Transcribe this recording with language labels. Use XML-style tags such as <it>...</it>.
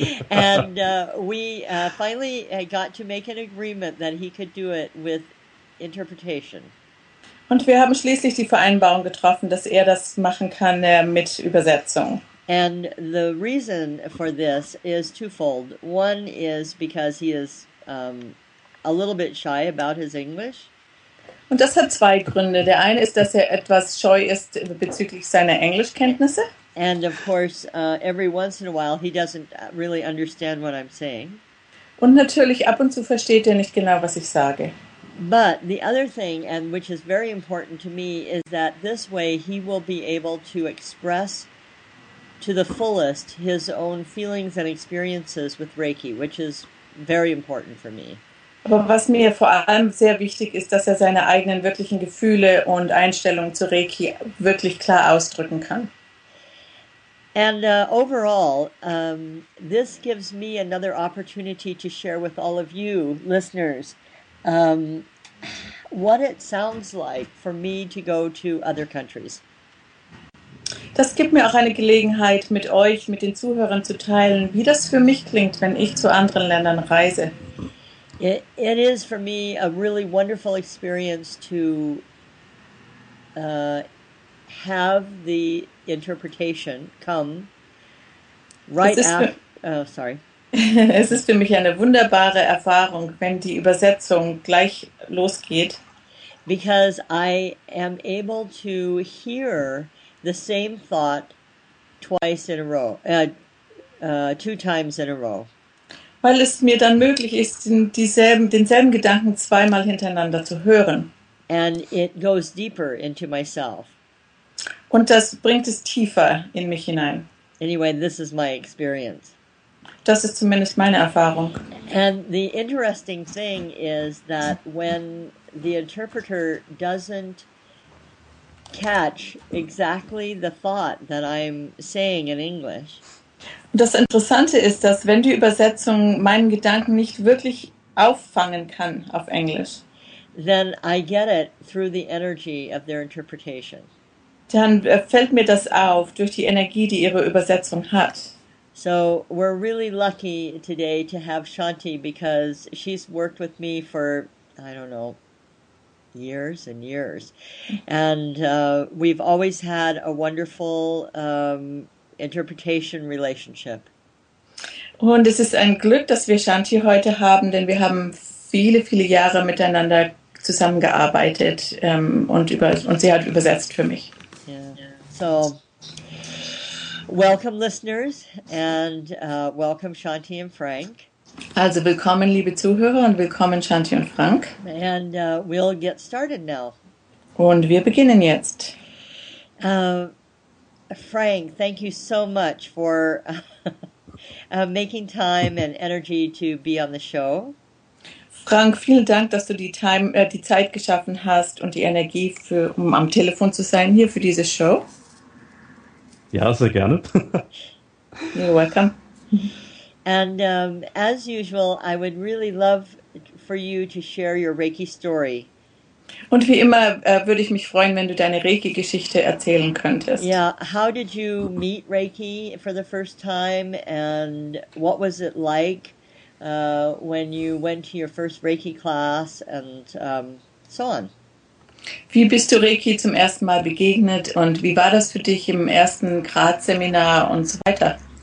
<en>And we finally got to make an agreement that he could do it with interpretation.</en> <de>Und wir haben schließlich die Vereinbarung getroffen, dass er das machen kann mit Übersetzung.</de> <en>And the reason for this is twofold. One is because he is a little bit shy about his English.</en> <de>Und das hat zwei Gründe. Der eine ist, dass er etwas scheu ist bezüglich seiner Englischkenntnisse.</de> <en>And of course, every once in a while he doesn't really understand what I'm saying.</en> <de>Und natürlich ab und zu versteht er nicht genau, was ich sage.</de> <en>But the other thing, and which is very important to me, is that this way he will be able to express to the fullest his own feelings and experiences with Reiki, which is very important for me.</en> <de>Aber was mir vor allem sehr wichtig ist, dass er seine eigenen wirklichen Gefühle und Einstellungen zu Reiki wirklich klar ausdrücken kann.</de> <en>And overall, this gives me another opportunity to share with all of you listeners what it sounds like for me to go to other countries.</en> <de>Das gibt mir auch eine Gelegenheit, mit euch, mit den Zuhörern zu teilen, wie das für mich klingt, wenn ich zu anderen Ländern reise.</de> <en>It is for me a really wonderful experience to have the interpretation come right after.</en> <de>Es ist für mich eine wunderbare Erfahrung, wenn die Übersetzung gleich losgeht.</de> <en>Because I am able to hear the same thought twice in a row, two times in a row.</en> <de>Weil es mir dann möglich ist, denselben Gedanken zweimal hintereinander zu hören.</de> <en>And it goes deeper into myself.</en> <de>Und das bringt es tiefer in mich hinein.</de> <en>Anyway, this is my experience.</en> <de>Das ist zumindest meine Erfahrung.</de> <en>And the interesting thing is that when the interpreter doesn't catch exactly the thought that I'm saying in English.</en> <de>Das Interessante ist, dass wenn die Übersetzung meinen Gedanken nicht wirklich auffangen kann auf Englisch,</de> <en>then I get it through the energy of their interpretation.</en> <de>Dann fällt mir das auf durch die Energie, die ihre Übersetzung hat.</de> <en>So we're really lucky today to have Shanti because she's worked with me for, I don't know, years and years. And we've always had a wonderful interpretation relationship.</en> <de>Und es ist ein Glück, dass wir Shanti heute haben, denn wir haben viele, viele Jahre miteinander zusammengearbeitet und sie hat übersetzt für mich.</de> <en>Yeah. So, welcome listeners and welcome Shanti and Frank.</en> <de>Also willkommen, liebe Zuhörer, und willkommen Shanti und Frank.</de> <en>And we'll get started now.</en> <de>Und wir beginnen jetzt.</de> <en>Frank, thank you so much for making time and energy to be on the show.</en> <de>Frank, vielen Dank, dass du die Zeit geschaffen hast und die Energie, um am Telefon zu sein hier für diese Show. Ja, sehr gerne.</de> <en>You're welcome. And as usual, I would really love for you to share your Reiki story.</en> <de>Und wie immer würde ich mich freuen, wenn du deine Reiki-Geschichte erzählen könntest.</de> <en>Yeah, how did you meet Reiki for the first time and what was it like when you went to your first Reiki class and so on?</en> <de>Wie bist du Reiki zum ersten Mal begegnet und wie war das für dich im ersten Grad-Seminar und so weiter?</de>